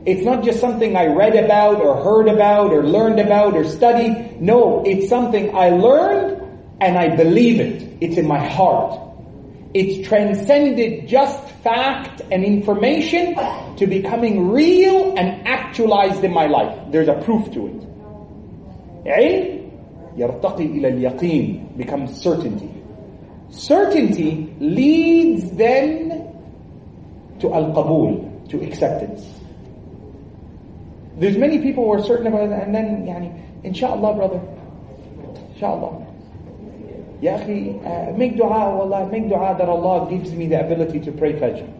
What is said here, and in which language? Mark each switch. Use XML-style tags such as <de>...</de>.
<en>It's not just something I read about or heard about or learned about or studied. No, it's something I learned and I believe it. It's in my heart. It's transcended just fact and information to becoming real and actualized in my life. There's a proof to it.</en> <ar>علم يرتقي إلى اليقين</ar> <en>becomes certainty. Certainty leads then to القبول, to acceptance. There's many people who are certain about it, and then, يعني, inshallah, brother, inshallah.</en> <ar>يا أخي,</ar> <en>make dua, والله, make dua that Allah gives me the ability to pray Fajr.</en>